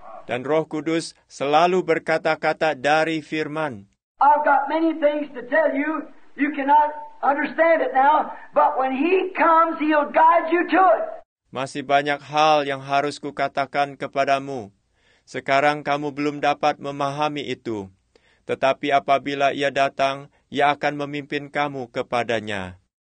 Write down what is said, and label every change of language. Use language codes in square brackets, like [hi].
[id] Dan Roh Kudus selalu berkata-kata dari Firman. [en] I've got many things to tell you. You cannot understand it now. But when he comes, he'll guide you to it. [id] Masih banyak hal yang harus kukatakan kepadamu. Sekarang kamu belum dapat memahami itu. Tetapi apabila ia datang, ia akan memimpin kamu kepadanya.